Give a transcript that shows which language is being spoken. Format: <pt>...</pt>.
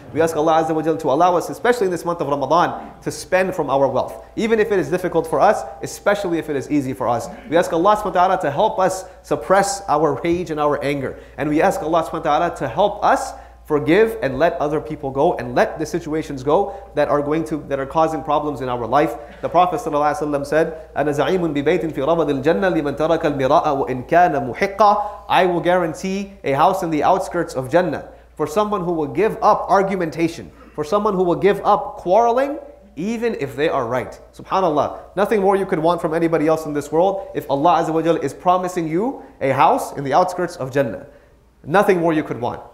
<en>We ask Allah azza wa jalla to allow us, especially in this month of Ramadan, to spend from our wealth. Even if it is difficult for us, especially if it is easy for us. We ask Allah subhanahu wa ta'ala to help us suppress our rage and our anger. And we ask Allah subhanahu wa ta'ala to help us forgive and let other people go and let the situations go that are causing problems in our life. The Prophet ﷺ said,</en> <ar>أَنَا زَعِيمٌ بِبَيْتٍ فِي رَبَضِ الْجَنَّةِ لِمَنْ تَرَكَ الْمِرَاءَ وَإِنْ كَانَ مُحِقَّةً.</ar> <en>I will guarantee a house in the outskirts of Jannah for someone who will give up argumentation, for someone who will give up quarreling, even if they are right. SubhanAllah, nothing more you could want from anybody else in this world if Allah Azza wa Jalla is promising you a house in the outskirts of Jannah. Nothing more you could want.</en>